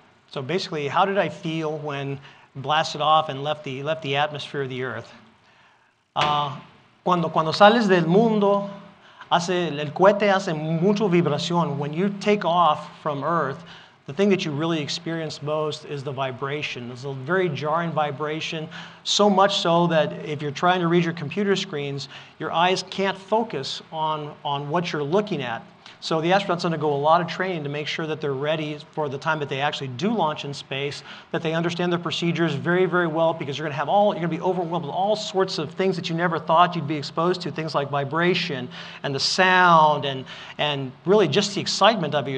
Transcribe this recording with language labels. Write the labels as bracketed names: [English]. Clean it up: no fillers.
[English] So basically, how did I feel when blasted off and left the atmosphere of the Earth? [Spanish] Cuando sales del mundo, el cohete hace mucho vibración. [English] When you take off from Earth, the thing that you really experience most is the vibration. It's a very jarring vibration, so much so that if you're trying to read your computer screens, your eyes can't focus on what you're looking at. So the astronauts undergo a lot of training to make sure that they're ready for the time that they actually do launch in space, that they understand the procedures very, very well, because you're going to be overwhelmed with all sorts of things that you never thought you'd be exposed to, things like vibration and the sound and really just the excitement of you.